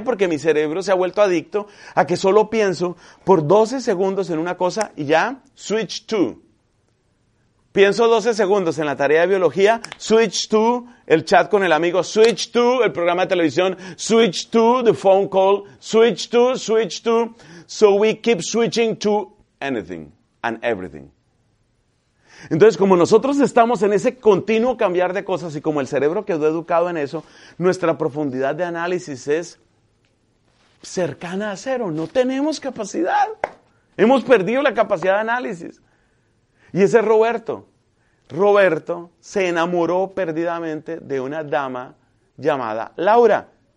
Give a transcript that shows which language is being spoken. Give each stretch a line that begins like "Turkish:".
Spanish: Porque mi cerebro se ha vuelto adicto a que solo pienso por 12 segundos en una cosa y ya,
English: switch to.
Spanish: Pienso 12 segundos en la tarea de biología,
English: switch to
Spanish: el chat con el amigo, switch to el programa de televisión,
English: switch to the phone call, switch to,
Spanish: switch to.
English: So we keep switching to anything and everything.
Spanish: Entonces, como nosotros estamos en ese continuo cambiar de cosas y como el cerebro quedó educado en eso, nuestra profundidad de análisis es cercana a cero. No tenemos capacidad. Hemos perdido la capacidad de análisis. Y ese Roberto. Roberto se enamoró perdidamente de una dama llamada Laura.